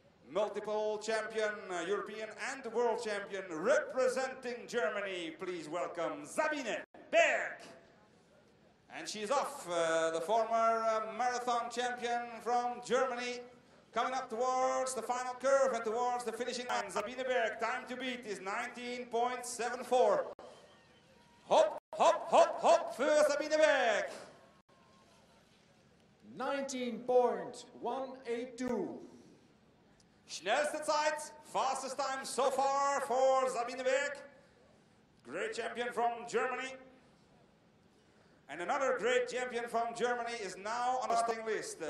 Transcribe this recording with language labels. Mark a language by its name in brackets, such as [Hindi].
[English] Multiple champion, European and world champion, representing Germany. Please welcome Sabine Berg. And she's off. The former marathon champion from Germany. Coming up towards the final curve and towards the finishing line. Sabine Berg, time to beat is 19.74. [Dutch] Hop, hop, hop, hop, voor Sabine Berg. 19.182. Snelste tijd, [English] fastest time so far [Dutch] voor Sabine Berg. [English] Great champion from Germany. And another great champion from Germany is now on the starting list.